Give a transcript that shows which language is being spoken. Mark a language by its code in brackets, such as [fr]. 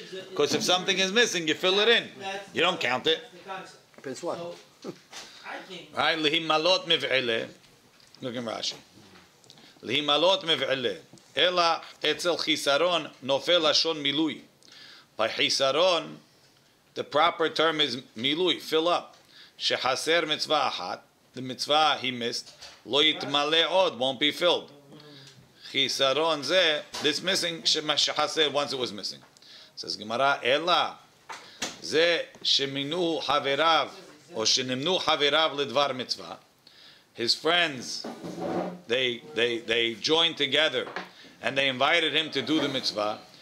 [en] Because if something is missing, you fill it in. You don't count it. Depends what. [he] היי להימלות מבעלה, [en] look in Rashi. [he] להימלות מבעלה, אלא אצל חיסרון נופל לשון מילוי. [en] By חיסרון, the proper term is מילוי, fill up. [he] שחסר מצווה אחת, [en] the מצווה he missed, [he] לא יתמלא עוד, [en] won't be filled. [he] חיסרון זה, [en] this missing, [he] שחסר [en] once it was missing. [he] אז גמרא, אלא, זה שמינו חבריו, או שנמנו חבריו לדבר מצווה. [en] His friends, they joined together, and they invited him to do the mitzvah.